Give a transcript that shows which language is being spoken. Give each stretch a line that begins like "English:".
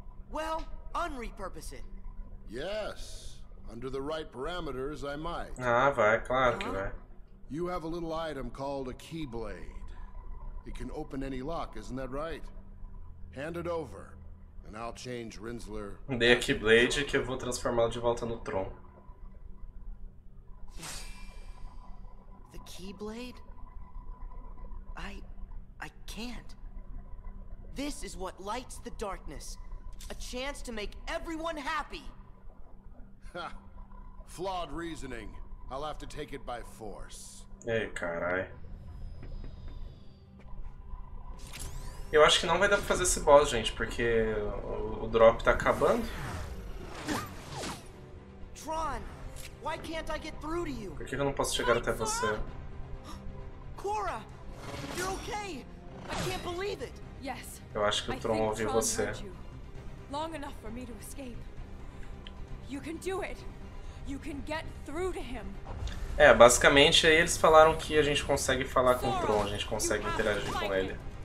English: Well, unrepurpose it. Yes. Under the right parameters, I might.
Portuguese: Ah, vai, claro que vai.
English: You have a little item called a keyblade. It can open any lock, isn't that right? Hand it over. And I'll change Rinsler.
Portuguese: Dê a Keyblade que eu vou transformá-lo de volta no Tron.
English: The Keyblade? I can't. This is what lights the darkness. A chance to make everyone happy. Ha. Flawed reasoning. I'll have to take it by force.
Portuguese: Ei, carai. Eu acho que não vai dar pra fazer esse boss, gente, porque o drop tá acabando.
English: Tron, why can't I get through to you?
Portuguese: Por que eu não posso chegar até você?
English: Cora, you're okay. I can't believe it. Yes.
Portuguese: Eu acho que o Tron ouviu você.
English: Long enough for me to escape. You can do it. You can get through to him.
Portuguese: É, basicamente aí eles falaram que a gente consegue falar com o Tron, a gente consegue interagir com ele.